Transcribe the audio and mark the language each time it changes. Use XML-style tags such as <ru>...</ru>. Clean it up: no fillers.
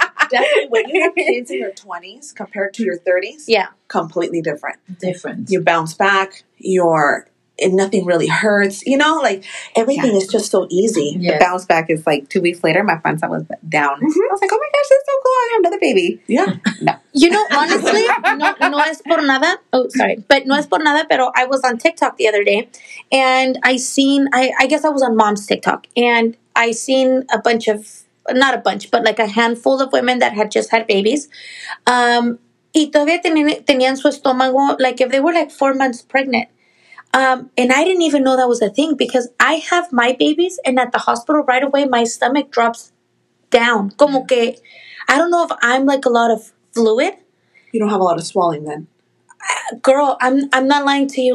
<en>definitely when you have kids in your 20s compared to your 30s, yeah, completely different. Different. You bounce back. Nothing really hurts. You know, everything is just so easy. Yes. The bounce back is 2 weeks later. My friend said I was down. Mm-hmm. I was like, oh my gosh, that's so cool! I have another baby. Yeah. No. You know, honestly,</en> <es>no es por nada.</es> <en>Oh, sorry, but</en> <es>no es por nada. Pero</es> <en>I was on TikTok the other day, and I guess I was on mom's TikTok, and I seen a bunch of not a bunch, but a handful of women that had just had babies.</en> <es>Y todavía tenían su estómago.</es> <en>If they were 4 months pregnant. And I didn't even know that was a thing because I have my babies and at the hospital right away, my stomach drops down.</en> <es>Como que,</es> <en>I don't know if I'm a lot of fluid. You don't have a lot of swelling then. Girl, I'm not lying to you.</en>